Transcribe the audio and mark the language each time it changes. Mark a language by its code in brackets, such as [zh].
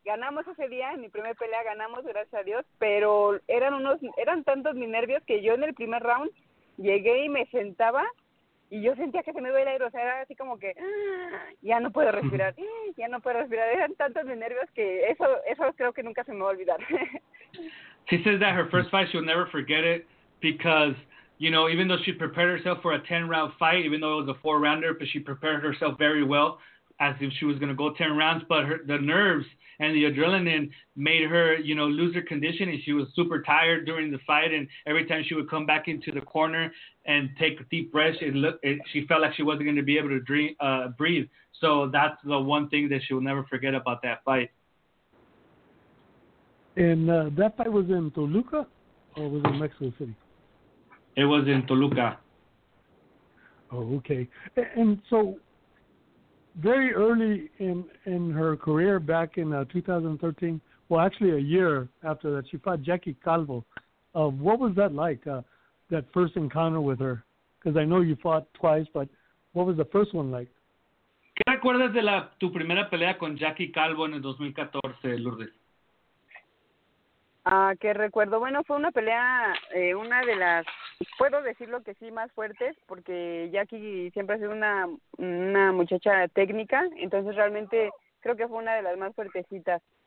[es] Ganamos ese día, en mi primera pelea ganamos, gracias a Dios, pero eran tantos mis nervios que yo en el primer round llegué y me sentaba y yo sentía que se me iba el aire, o sea, era así como que ya no puedo respirar. Eran tantos mis nervios que eso creo que nunca se me va a olvidar. [en] She says that her first fight she'll never forget it because, you know, even though she prepared herself for a 10-round fight, even though it was a 4-rounder, but she prepared herself very well as if she was going to go 10 rounds. But the nerves and the adrenaline made her, you know, lose her condition, and she was super tired during the fight. And every time she would come back into the corner and take a deep breath, she felt like she wasn't going to be able to breathe. So that's the one thing that she will never forget about that fight. And that fight was in Toluca or was it Mexico City? It was in Toluca. Oh, okay. And so very early in her career back in 2013, well, actually a year after that, she fought Jackie Calvo. What was that like, that first encounter with her? Because I know you fought twice, but what was the first one like? [es] ¿Qué recuerdas de tu primera pelea con Jackie Calvo en el 2014, Lourdes? Que recuerdo, bueno, fue una pelea, una de las, puedo decirlo que sí, más fuertes, porque Jackie siempre ha sido una muchacha técnica, entonces realmente creo que fue una de las más fuertecitas.